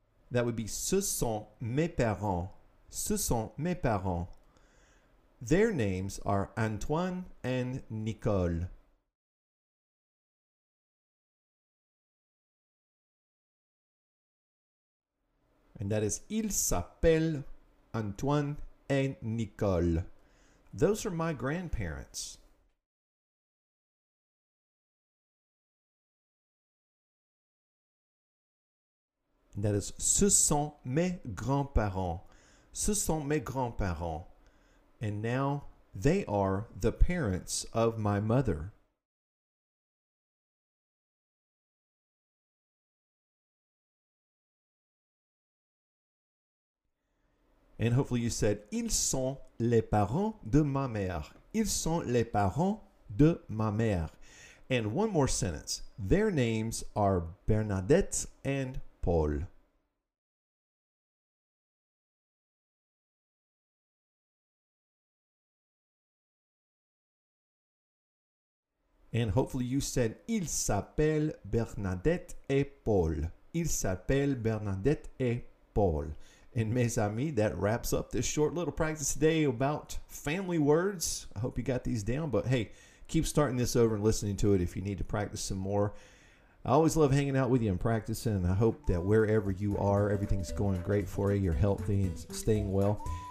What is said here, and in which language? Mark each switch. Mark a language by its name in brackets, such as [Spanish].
[English] That would be [French] ce sont mes parents. Ce sont mes parents. [English] Their names are Antoine and Nicole. And that is [French] ils s'appellent Antoine et Nicole. [English] Those are my grandparents. And that is [French] ce sont mes grands-parents. Ce sont mes grands-parents. [English] And now they are the parents of my mother. And hopefully you said, [French] ils sont les parents de ma mère. Ils sont les parents de ma mère. [English] And one more sentence. Their names are Bernadette and Paul. And hopefully you said, [French] ils s'appellent Bernadette et Paul. Ils s'appellent Bernadette et Paul. [English] And [French] mes amis, [English] that wraps up this short little practice today about family words. I hope you got these down, but hey, keep starting this over and listening to it if you need to practice some more. I always love hanging out with you and practicing, and I hope that wherever you are, everything's going great for you, you're healthy and staying well.